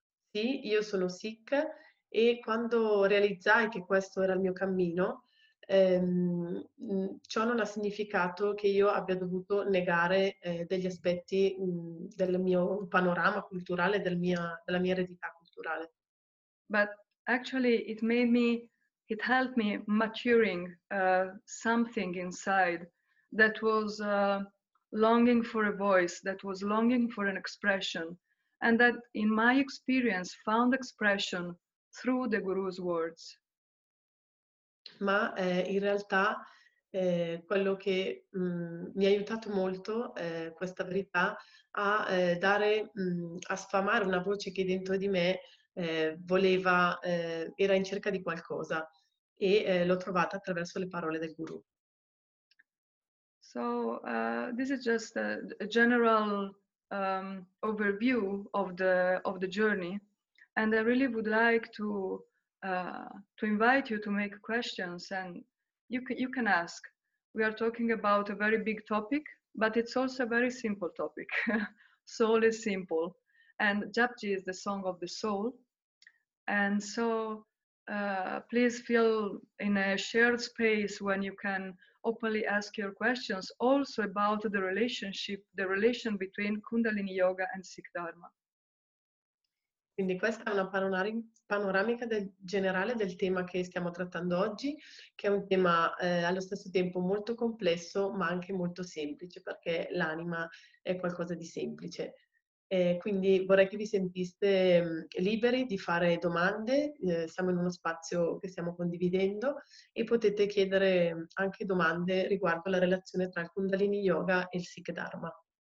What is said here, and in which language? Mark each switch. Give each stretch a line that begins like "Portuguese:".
Italian: Sì, io sono sick, e quando realizzai che questo era il mio cammino, ciò non ha significato che io abbia dovuto negare degli aspetti del mio panorama culturale, della mia eredità culturale.
English: But actually it made me, it helped me maturing something inside that was longing for a voice, that was longing for an expression, and that in my experience found expression through the Guru's words.
Italian: Ma in realtà quello che mi ha aiutato molto, questa verità, a dare, a sfamare una voce che dentro di me voleva, era in cerca di qualcosa, e l'ho trovata attraverso le parole del Guru.
English: So, this is just a general overview of the journey, and I really would like to invite you to make questions, and you can ask. We are talking about a very big topic, but it's also a very simple topic. Soul is simple, and Japji is the song of the soul, and so please feel in a shared space when you can openly ask your questions, also about the relation between Kundalini Yoga and Sikh Dharma.
Italian: Quindi questa è una panoramica generale del tema che stiamo trattando oggi, che è un tema allo stesso tempo molto complesso, ma anche molto semplice, perché l'anima è qualcosa di semplice. Quindi vorrei che vi sentiste liberi di fare domande, siamo in uno spazio che stiamo condividendo, e potete chiedere anche domande riguardo alla relazione tra il Kundalini Yoga e il Sikh Dharma.